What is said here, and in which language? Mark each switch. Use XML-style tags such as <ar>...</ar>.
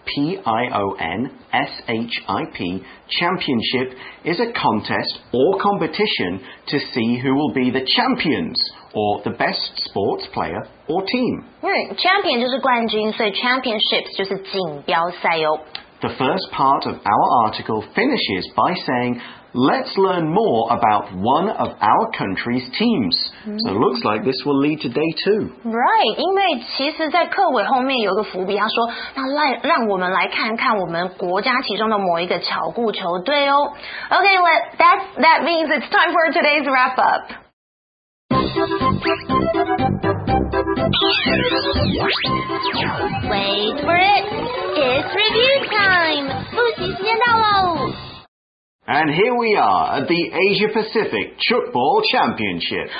<en>P-I-O-N-S-H-I-P, championship, is a contest or competition to see who will be the champions, or the best sports player or team.</en> <zh>Champion 就是冠军，所以 championships 就是锦标赛哦。</zh> <en>The first part of our article finishes by saying, let's learn more about one of our country's teams. So it looks like this will lead to day two. Right,</en> <zh>因为其实在课尾后面有个伏笔，他说，那让我们来看看我们国家其中的某一个巧固球队哦。</zh> <en>Okay, that means it's time for today's wrap up. Wait for it. It's review time.</en> <zh>复习时间到喽。</zh> <en>And here we are at the Asia-Pacific Chutball Championship.</en>